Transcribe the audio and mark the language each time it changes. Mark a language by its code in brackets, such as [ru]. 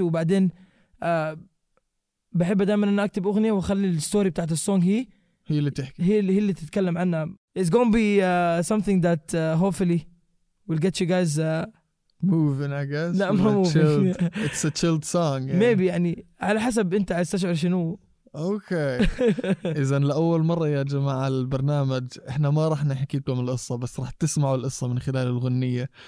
[ar] وبعدين بحب دائما أن أكتب أغنية وخلي الستوري بتاعت السونغ هي اللي تحكي، هي اللي تتكلم عنها. [en] It's gonna be something that hopefully will get you guys moving, I guess. [ar] لا ما moving. [en] It's a chilled song. Yeah. [ar] Maybe يعني على حسب أنت عايز تشعر شنو. اوكي. إذن لأول مرة يا جماعة البرنامج احنا ما رح نحكي لكم القصة، بس رح تسمعوا القصة من خلال الغنية.